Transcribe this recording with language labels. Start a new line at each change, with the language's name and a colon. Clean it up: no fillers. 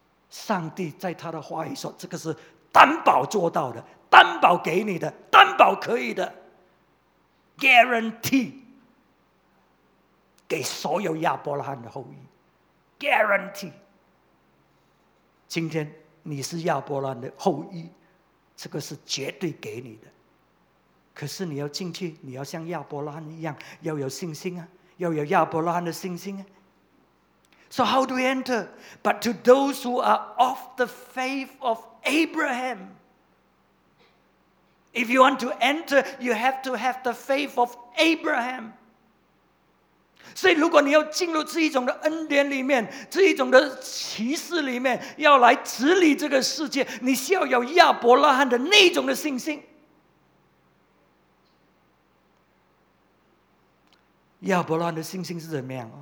Chinese: 上帝在他的话语说，这个是担保做到的，担保给你的，担保可以的 guarantee 给所有亚伯拉罕的后裔 guarantee。今天你是亚伯拉罕的后裔，这个是绝对给你的，可是你要进去，你要像亚伯拉罕一样，要有信心啊，要有亚伯拉罕的信心啊。
English: So how to enter? But to those who are of the faith of Abraham. If you want to enter, you have to have the faith of Abraham.
Chinese: 所以如果你要进入这一种的恩典里面，这一种的启示里面，要来治理这个世界，你需要有亚伯拉罕的那种的信心。亚伯拉罕的信心是怎么样？